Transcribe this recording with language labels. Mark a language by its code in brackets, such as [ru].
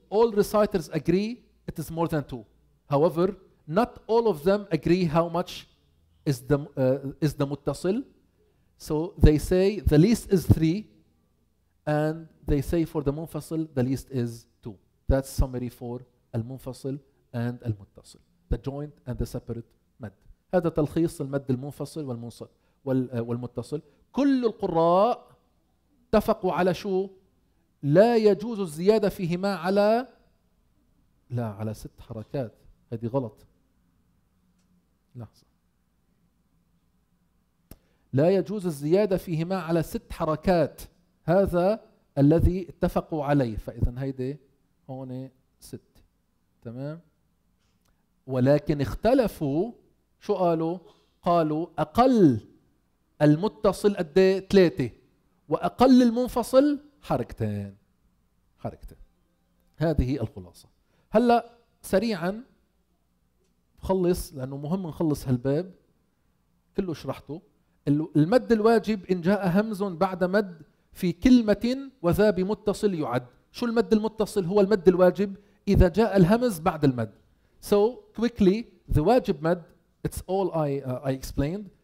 [en] All reciters agree it is more than two. However, not all of them agree how much is the متصل. So they say the least is three, and they say for the منفصل the least is two. That's summary for المنفصل and المتصل. The joint and the separate مد. [ar] هذا تلخيص المد المنفصل والمنصل والمتصل. كل القراء اتفقوا على شو؟ لا يجوز الزيادة فيهما على لا على ست حركات. هذه غلط. لحظة. لا يجوز الزيادة فيهما على ست حركات. هذا الذي اتفقوا عليه. فإذا هيدي هون ست. تمام؟ ولكن اختلفوا. شو قالوا؟ قالوا أقل المتصل قد ايه؟ ثلاثة. وأقل المنفصل حركتين. حركتين. هذه الخلاصة. هلأ سريعا بخلص لأنه مهم نخلص هالباب. كله شرحته. المد الواجب إن جاء همز بعد مد في كلمة وذا بمتصل يعد. شو المد المتصل؟ هو المد الواجب إذا جاء الهمز بعد المد. [en] So quickly, the واجب مد, it's all I explained.